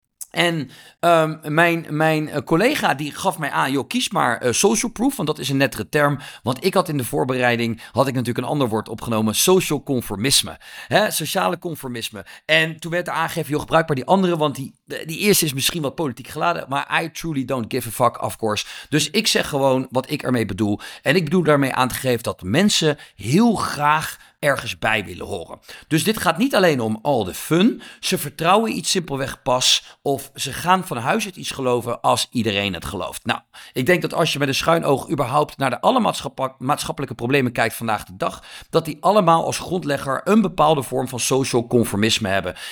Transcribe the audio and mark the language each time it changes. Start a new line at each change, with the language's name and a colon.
Dutch: En mijn collega die gaf mij aan, joh, kies maar social proof, want dat is een nettere term. Want ik had in de voorbereiding, had ik natuurlijk een ander woord opgenomen, social conformisme. Hè, sociale conformisme. En toen werd er aangegeven, joh, gebruik maar die andere, want die eerste is misschien wat politiek geladen. Maar
English: I truly don't give a fuck, of course.
Dutch: Dus ik zeg gewoon wat ik ermee bedoel. En ik bedoel daarmee aan te geven dat mensen heel graag ergens bij willen horen. Dus dit gaat niet alleen om
English: all the fun.
Dutch: Ze vertrouwen iets simpelweg pas. Of ze gaan van huis uit iets geloven als iedereen het gelooft. Nou, ik denk dat als je met een schuin oog überhaupt naar de alle maatschappelijke problemen kijkt vandaag de dag, dat die allemaal als grondlegger een bepaalde vorm van social conformisme hebben.